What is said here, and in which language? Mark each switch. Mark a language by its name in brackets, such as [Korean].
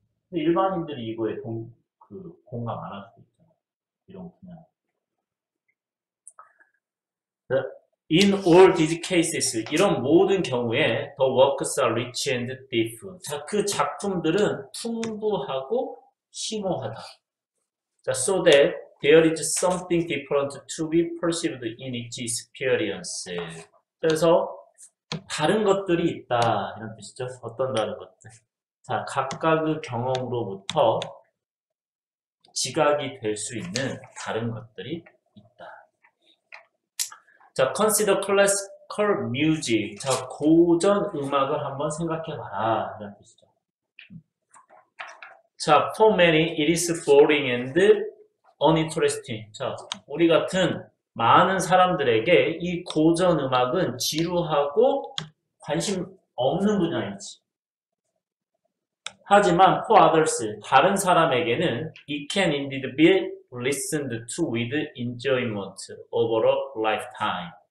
[Korean] 근데 일반인들이 이거에 공감 안할 수도 있잖아. 이런 분야. [English] In all these cases, [Korean] 이런 모든 경우에 [English] the works are rich and deep. [Korean] 자, 그 작품들은 풍부하고 심오하다. [English] 자, so that there is something different to be perceived in each experience. [Korean] 그래서 다른 것들이 있다. 이런 뜻이죠. 어떤 다른 것들? 자, 각각의 경험으로부터 지각이 될수 있는 다른 것들이 있다. 자, [English] consider classical music. [Korean] 자, 고전 음악을 한번 생각해 봐라. 이런 뜻이죠. [English] 자, for many, it is boring and uninteresting. [Korean] 자, 우리 같은 많은 사람들에게 이 고전 음악은 지루하고 관심 없는 분야이지. 하지만 [English] for others, [Korean] 다른 사람에게는 [English] it can indeed be listened to with enjoyment over a lifetime.